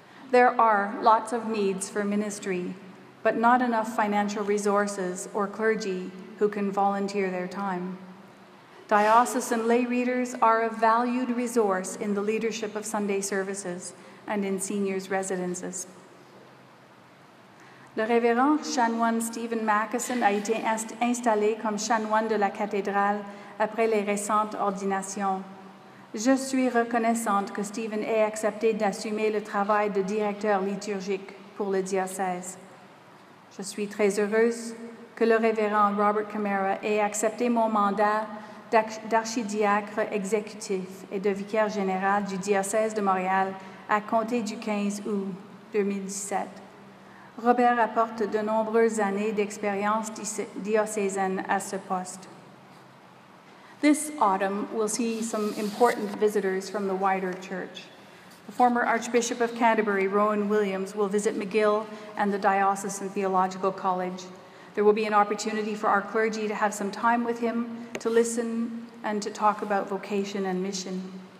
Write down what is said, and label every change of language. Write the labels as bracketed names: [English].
[English] There are lots of needs for ministry, but not enough financial resources or clergy who can volunteer their time. Diocesan lay readers are a valued resource in the leadership of Sunday services and in seniors' residences. [French] Le révérend chanoine Stephen Mackeson a été installé comme chanoine de la cathédrale après les récentes ordinations. Je suis reconnaissante que Stephen ait accepté d'assumer le travail de directeur liturgique pour le diocèse. Je suis très heureuse que le révérend Robert Camara ait accepté mon mandat d'archidiacre exécutif et de vicaire général du diocèse de Montréal à compter du 15 août 2017. Robert apporte de nombreuses années d'expérience diocésaine à ce poste. [English] This autumn, we'll see some important visitors from the wider church. The former Archbishop of Canterbury, Rowan Williams, will visit McGill and the Diocesan Theological College. There will be an opportunity for our clergy to have some time with him, to listen, and to talk about vocation and mission.